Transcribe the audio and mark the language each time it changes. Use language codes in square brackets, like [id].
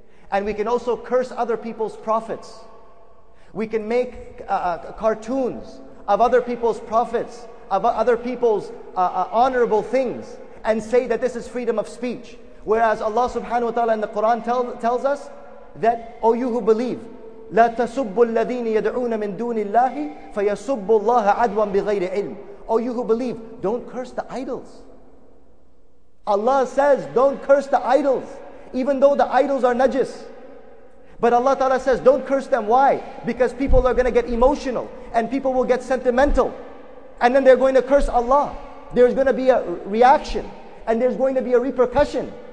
[en] And we can also curse other people's prophets. We can make cartoons of other people's prophets, of other people's honorable things, and say that this is freedom of speech. Whereas Allah subhanahu wa ta'ala in the Quran tells us that, O you who believe, [ar] لا تسبوا الذين يدعون من دون الله فيسبوا الله عدوا بغير علم. [en] Oh, you who believe, don't curse the idols. Allah says, don't curse the idols, even though the idols are najis. But Allah Ta'ala says, don't curse them. Why? Because people are going to get emotional and people will get sentimental. And then they're going to curse Allah. There's going to be a reaction and there's going to be a repercussion.